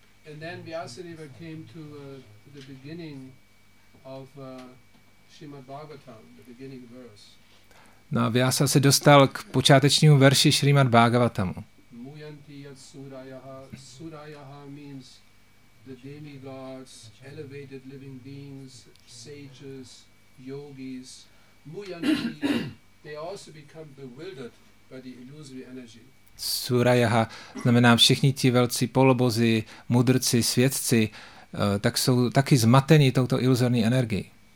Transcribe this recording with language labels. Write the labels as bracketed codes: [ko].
[en] And then Vyasadeva came to the beginning of Srimad Bhagavatam, the beginning verse. [cs] No a Vyasa se dostal k počátečnímu verši Srimad Bhagavatamu. [sa] Muyanti yat surayaha. [en] Surayaha means the demigods, elevated living beings, sages, yogis. Muyanti, they also become bewildered by the illusory energy. [cs] Surayaha znamená všichni ti velcí polobozy, mudrci, světci, tak jsou taky zmateni touto iluzorní energií.